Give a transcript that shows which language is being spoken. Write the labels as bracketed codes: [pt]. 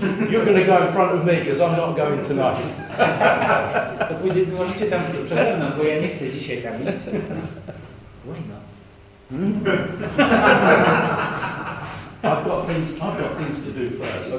[en] You're going to go in front of me because I'm not going tonight. [pl] To pójdzie, możecie tam być przede mną, bo ja nie chcę dzisiaj tam iść. [en] I've got things to do first.